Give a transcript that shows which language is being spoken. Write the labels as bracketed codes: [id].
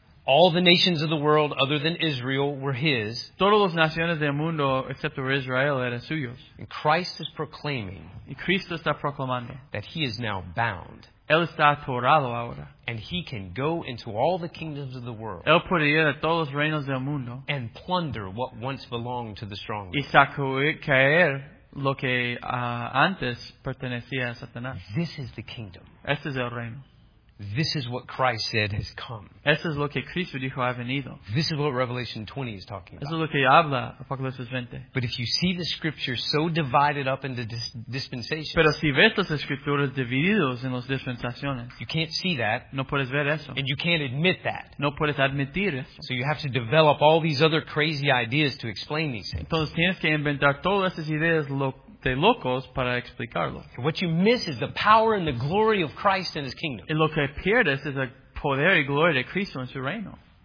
[en] All the nations of the world other than Israel were his. [es] Todas las naciones del mundo excepto Israel eran suyos. [en] And Christ is proclaiming [es] y Cristo está proclamando [en] that he is now bound. [es] Él está atorado ahora. [en] And he can go into all the kingdoms of the world. [es] Él puede ir a todos los reinos del mundo. [en] And plunder what once belonged to the strong. [es] Y sacudir lo que antes pertenecía a Satanás. [en] This is the kingdom. [es] Este es el reino. [en] This is what Christ said has come. [es] Esto es lo que Cristo dijo ha venido. [en] This is what Revelation 20 is talking about. [es] Esto es lo que habla Apocalipsis 20. [en] But if you see the scriptures so divided up into dispensations, [es] pero si ves las escrituras divididos en las dispensaciones, [en] you can't see that. [es] No puedes ver eso. [en] And you can't admit that. [es] No puedes admitir eso. [en] So you have to develop all these other crazy ideas to explain these things. [es] Entonces tienes que inventar todas esas ideas de locos para explicarlo. [en] What you miss is the power and the glory of Christ and his kingdom. [es] Y lo que pierdes es el poder y gloria de Cristo en su reino.